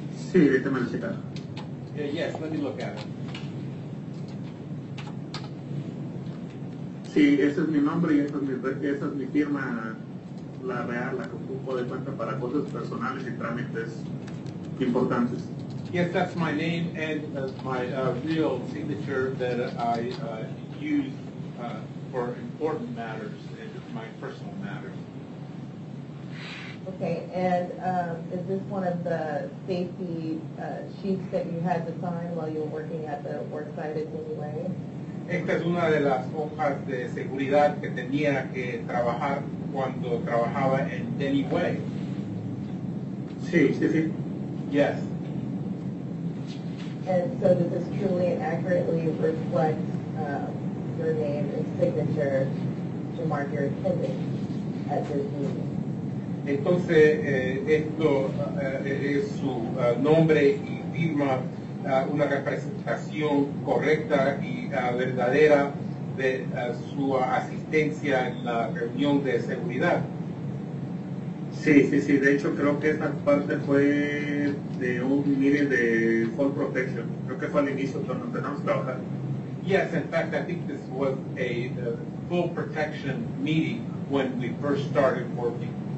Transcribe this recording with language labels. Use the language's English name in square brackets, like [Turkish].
[Spanish] Sí, de esta manera. [English] Yes, let me look at it. [Spanish] Sí, ese es mi nombre y esa es mi firma, la real, la que ocupo de cuenta para cosas personales y trámites. Importantes. [English] Yes, that's my name and my real signature that I use for important matters and my personal matters. Okay, and is this one of the safety sheets that you had to sign while you were working at the work site in any way? [Spanish] Esta es una de las hojas de seguridad que tenía que trabajar cuando trabajaba en [English] any way. [Spanish] Sí. [English] Yes. And so does this truly and accurately reflect your name and signature to mark your attendance at this meeting? [Spanish] Entonces, esto es su nombre y firma una representación correcta y verdadera de su asistencia en la reunión de seguridad. Sí, sí, sí. De hecho, creo que esta parte fue de un meeting de Fall Protection. Creo que fue al inicio cuando empezamos a trabajar. [English] Yes, in fact, I think this was a Fall Protection meeting when we first started working.